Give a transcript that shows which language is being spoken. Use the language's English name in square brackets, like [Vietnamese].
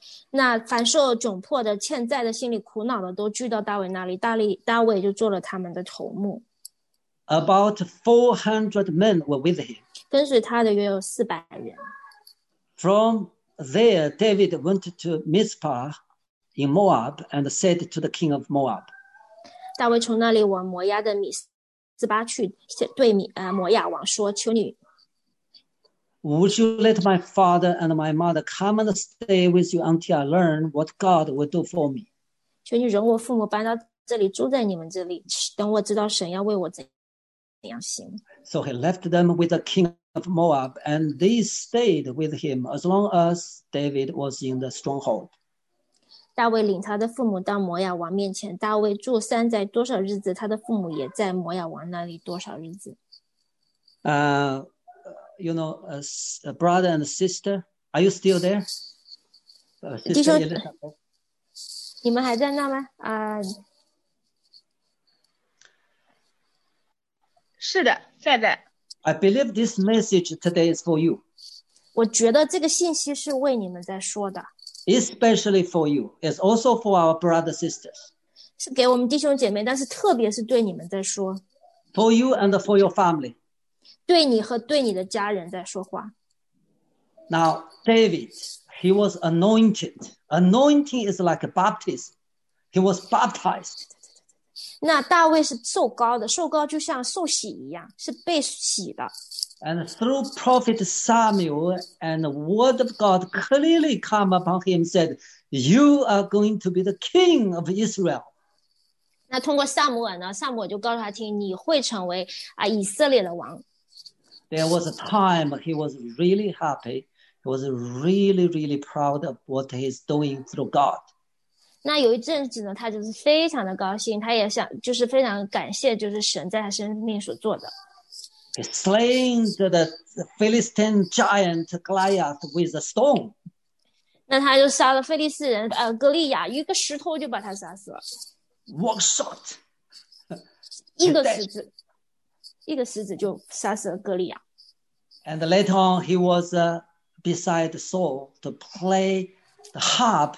[Chinese] 那凡受窘迫的、欠债的、心里苦恼的，都聚到大卫那里，大卫就做了他们的头目。 [English] About 400 men were with him. [Chinese] 跟随他的约有400人。 [English] From there, David went to Mizpah in Moab and said to the king of Moab. [Chinese] 大卫从那里往摩押的米斯巴去，对摩押王说：“求你。” [English] Would you let my father and my mother come and stay with you until I learn what God will do for me? [Chinese] 求你容我父母搬到这里，住在你们这里，等我知道神要为我怎。 [English] So he left them with the king of Moab, and they stayed with him as long as David was in the stronghold. [Chinese] 大卫领他的父母到摩押王面前，大卫住三载多少日子，他的父母也在摩押王那里多少日子。 [English] You know, a brother and a sister, are you still there? [Chinese] 弟兄，你们还在那吗？是的，在的。 [English] I believe this message today is for you. [Chinese] 我觉得这个信息是为你们在说的。 [English] Especially for you. It's also for our brothers and sisters. [Chinese] 是给我们弟兄姐妹，但是特别是对你们在说。 [English] For you and for your family. [Chinese] 对你和对你的家人在说话。 [English] Now, David, he was anointed. Anointing is like a baptism. He was baptized. [Chinese] 那大卫是受膏的，受膏就像受洗一样，是被洗的。 [English] And through prophet Samuel, and the word of God clearly come upon him, said, "You are going to be the king of Israel." [Chinese] 那通过撒母耳呢？撒母耳就告诉他听，你会成为以色列的王。 [English] There was a time he was really happy. He was really, really proud of what he's doing through God. [Chinese] 那有一阵子呢，他就是非常的高兴，他也想就是非常感谢，就是神在他生命所做的。 [English] He slain the Philistine giant Goliath with a stone. [Chinese] 那他就杀了非利士人哥利亚，一个石头就把他杀死了。 [English] One shot. [Chinese] 一个石子就杀死了哥利亚。 [English] And later on, he was beside Saul to play the harp.